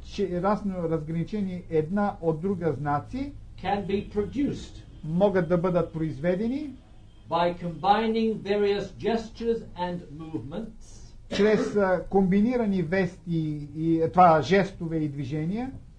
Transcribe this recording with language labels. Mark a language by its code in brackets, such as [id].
[bg] ясно разграничени една от друга знаци [en] can be produced [bg] могат да бъдат произведени [en] by combining various gestures and movements [bg] чрез комбинирани вести и това жестове и движения